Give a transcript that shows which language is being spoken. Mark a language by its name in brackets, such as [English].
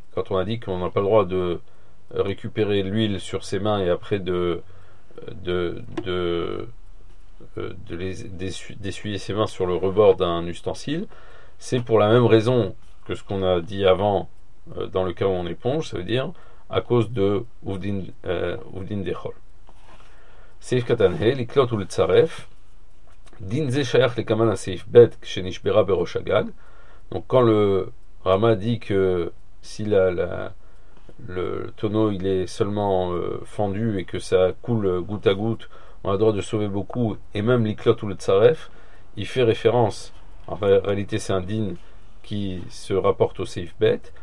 [French] Quand on a dit qu'on n'a pas le droit de récupérer l'huile sur ses mains et après d'essuyer ses mains sur le rebord d'un ustensile, c'est pour la même raison que ce qu'on a dit avant dans le cas où on éponge, ça veut dire à cause de uvdin dechol. [Hebrew] סעיף קטן ה, לקלוט ולצרף. דין זה שייך לכמן הסעיף ב, כשנשברה בראש הגג. [French] Donc quand le Rama dit que si le tonneau il est seulement fendu et que ça coule goutte à goutte, on a le droit de sauver beaucoup, et même l'iklot ou le tsaref, il fait référence En réalité, c'est un din qui se rapporte au Seif Bet.